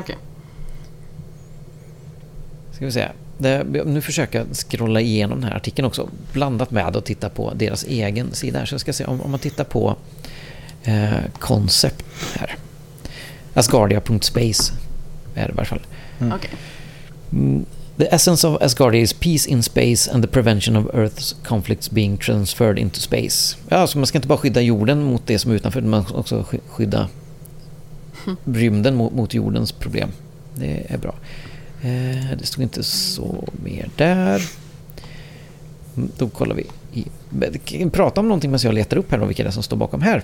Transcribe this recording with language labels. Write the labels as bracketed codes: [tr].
[sv] Okay. Ska vi se. Nu försöker jag scrolla igenom den här artikeln också. Blandat med att titta på deras egen sida här. Så jag ska se om man tittar på koncept här. Asgardia.space är det i alla fall. Mm. Okej. Okay. [en] The essence of Asgardia is peace in space and the prevention of Earth's conflicts being transferred into space. [sv] Ja, så man ska inte bara skydda jorden mot det som är utanför, man ska också skydda rymden mot jordens problem. Det är bra. Det stod inte så mer där. Då kollar vi. Prata om någonting medan jag letar upp här då, vilka det är som står bakom här.